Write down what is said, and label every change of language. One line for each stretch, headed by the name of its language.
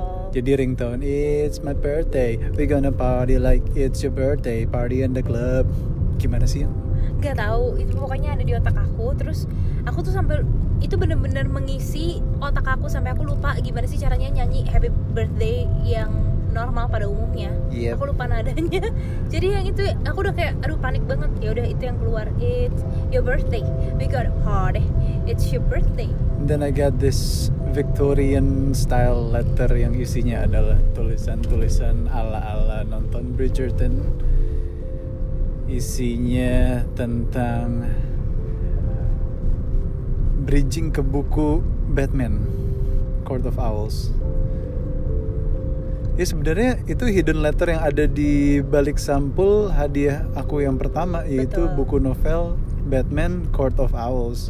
Indonesian: Jadi
English: ringtone it's my birthday. We gonna party like it's your birthday. Party in the club.
Indonesian: Gimana sih? Gak tahu, itu pokoknya ada di otak aku. Terus aku tuh sampai itu benar-benar mengisi otak aku sampai aku lupa gimana sih caranya nyanyi happy birthday yang normal pada umumnya.
English: Yep.
Indonesian: Aku lupa nadanya. Jadi yang itu aku udah kayak aduh panik banget. Ya udah itu yang keluar.
English: It's your birthday. We got a party. It's your birthday. Then I got this Victorian style letter
Indonesian: yang isinya adalah tulisan-tulisan ala-ala nonton Bridgerton. Isinya tentang bridging ke buku Batman, Court of Owls. Ya sebenarnya itu hidden letter yang ada di balik sampul hadiah aku yang pertama. Betul. Yaitu buku novel Batman, Court of Owls.